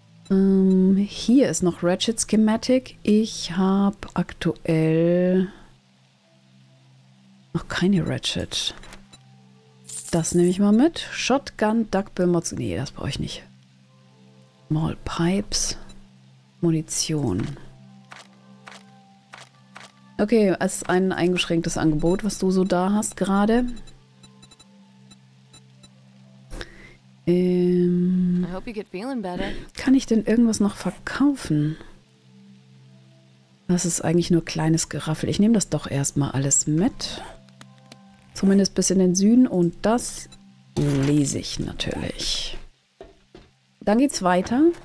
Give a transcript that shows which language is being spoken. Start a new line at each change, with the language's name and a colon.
German: Hier ist noch Ratchet Schematic. Ich habe aktuell noch keine Ratchet. Das nehme ich mal mit. Shotgun, Duckbill Mods. Nee, das brauche ich nicht. Small Pipes. Munition. Okay, es ist ein eingeschränktes Angebot, was du so da hast gerade.
English: I hope you get feeling better.
German: Kann ich denn irgendwas noch verkaufen? Das ist eigentlich nur kleines Geraffel. Ich nehme das doch erstmal alles mit. Zumindest bis in den Süden. Und das lese ich natürlich. Dann geht's weiter.